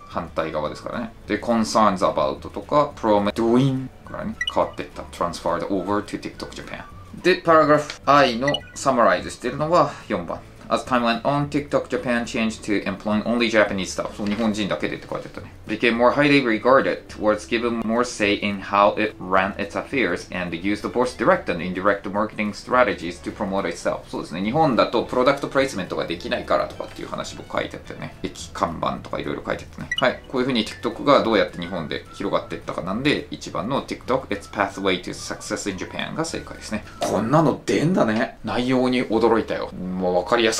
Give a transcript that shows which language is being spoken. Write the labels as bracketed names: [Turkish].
[Japanese] 反対側ですからね。で Concerns About とか Promise Doing からね、変わってった [English] Transferred Over to TikTok Japan [Japanese] で、パラグラフ I のサマライズしてるのは4番。 [English] As time went on, TikTok Japan changed to employing only Japanese staff. [Japanese] そう、日本人だけでって書いてあったね。 [English] Became more highly regarded, was given more say in how it ran its affairs, and used both direct and indirect marketing strategies to promote itself. [Japanese] そうですね。日本だとプロダクトプレイスメントができないからとかっていう話も書いてあったね。駅看板とかいろいろ書いてあったね。はい。こういうふうに TikTok がどうやって日本で広がっていったかなんで、一番の [English] TikTok, its pathway to success in Japan [Japanese] が正解ですね。こんなの出んだね。内容に驚いたよ。もうわかりやすい。